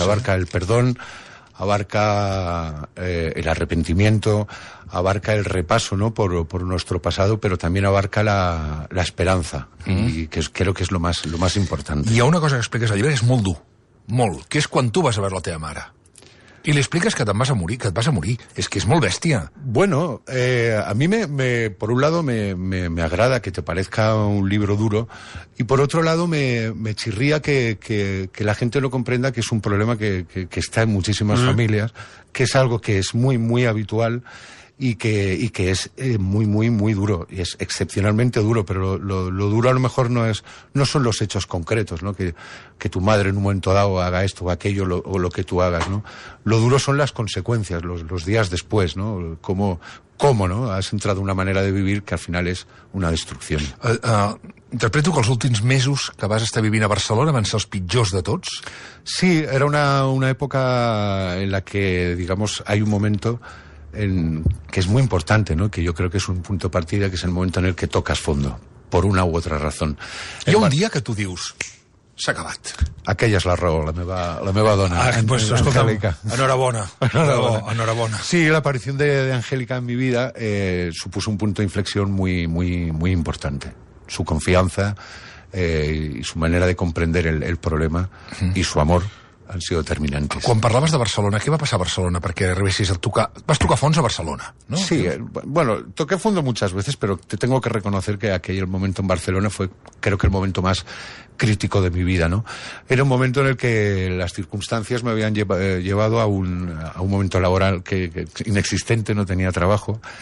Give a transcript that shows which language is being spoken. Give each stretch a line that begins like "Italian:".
Spanish: Abarca el perdón, abarca el arrepentimiento, abarca el repaso, ¿no?, por nuestro pasado, pero también abarca la esperanza, y que creo que es lo más importante. Y
Catalan: una cosa que expliques al llibre és molt dur, molt, que és quan tu vas a veure la teva mare. I li expliques que te'n vas a morir, que et vas a morir. És que és molt bèstia.
Spanish: Bueno, a mí, por un lado, me agrada que te parezca un libro duro, y por otro lado, me chirría que la gente no comprenda que es un problema que está en muchísimas familias, que es algo que es muy, muy habitual, y que es muy, muy, muy duro, y es excepcionalmente duro, pero lo duro a lo mejor no son los hechos concretos, ¿no? Que tu madre en un momento dado haga esto o aquello, o lo que tú hagas, ¿no? Lo duro son las consecuencias, los días después, ¿no? ¿Cómo, no? Has entrado una manera de vivir que al final es una destrucción.
Catalan: Interpreto que els últims mesos que vas estar vivint a Barcelona van ser els pitjors de tots.
Spanish: Sí, era una època en la que, digamos, hay un momento... que es muy importante, ¿no? Que yo creo que es un punto de partida, que es el momento en el que tocas fondo, por una u otra razón.
Catalan: Hi ha un dia que tu dius, s'ha acabat. Aquella és la raó, la meva dona. Enhorabona.
Spanish: Sí, la aparición de Angélica en mi vida supuso un punto de inflexión muy, muy, muy importante. Su confianza y su manera de comprender el problema y su amor. Han sido determinantes.
Catalan: Quan parlaves de Barcelona, què va passar a Barcelona perquè arribessis a tocar... Vas tocar fons a Barcelona, no?
Spanish: Sí, bueno, toqué fondo muchas veces, pero te tengo que reconocer que aquel momento en Barcelona fue, creo que, el momento más crítico de mi vida, ¿no? Era un momento en el que las circunstancias me habían llevado a un momento laboral que inexistente, no tenía trabajo.